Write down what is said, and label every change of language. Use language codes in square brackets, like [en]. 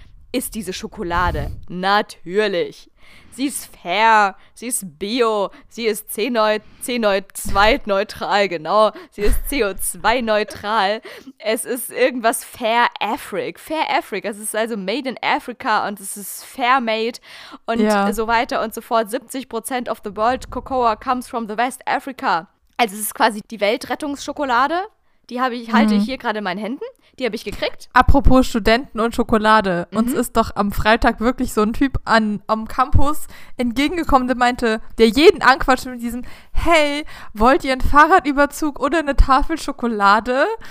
[de] Ist diese Schokolade. Natürlich. Sie ist fair, sie ist bio, sie ist C2-neutral, genau. Sie ist CO2-neutral. Es ist irgendwas Fair Africa. Es ist also [en] made in Africa [de] und es ist [en] fair made [de] und ja. so weiter und so fort. [en] 70% of the world cocoa comes from the West Africa. [de] Also es ist quasi die Weltrettungsschokolade. Die habe ich, halte ich hier gerade in meinen Händen. Die habe ich gekriegt. Apropos Studenten und Schokolade. Mhm. Uns ist doch am Freitag wirklich so ein Typ am Campus entgegengekommen, der meinte, der jeden anquatscht mit diesem, hey, wollt ihr einen Fahrradüberzug oder eine Tafel Schokolade?